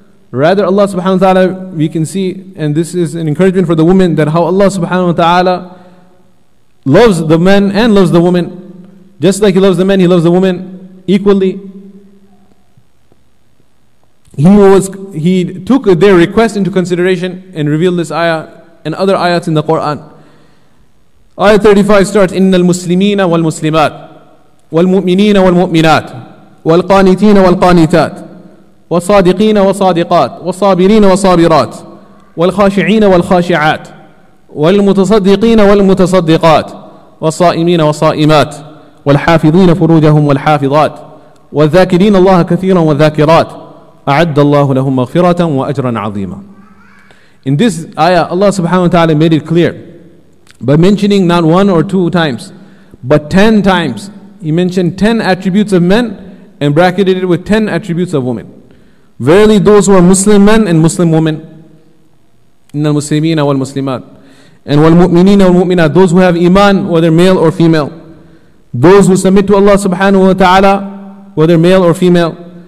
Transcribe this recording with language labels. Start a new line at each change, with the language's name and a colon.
English: Rather, Allah subhanahu wa ta'ala, we can see, and this is an encouragement for the women, that how Allah subhanahu wa ta'ala loves the men and loves the women. Just like He loves the men, He loves the women equally. He took their request into consideration and revealed this ayah and other ayats in the Quran. Ayah 35 starts,
Arabic: Innal Muslimina wal Muslimat, wal Mu'minina wal Mu'minat, wal Qanitina wal Qanitat, والصادقين والصادقات والصابرين والصابرات والخاشعين والخاشعات والمتصدقين والمتصدقات والصائمين والصائمات والحافظين فروجهم والحافظات والذاكرين الله كثيرا والذاكرات أعد الله لهم مغفرة وأجرا عظيما.
English: In this ayah, Allah subhanahu wa ta'ala made it clear by mentioning not one or two times, but 10 times. He mentioned 10 attributes of men and bracketed it with 10 attributes of women. Verily, those who are Muslim men and Muslim women,
Arabic: إِنَّ الْمُسْلِمِينَ وَالْمُسْلِمَاتِ
English: and
Arabic: وَالْمُؤْمِنِينَ وَالْمُؤْمِنَاتِ,
English: those who have iman, whether male or female, those who submit to Allah subhanahu wa ta'ala, whether male or female,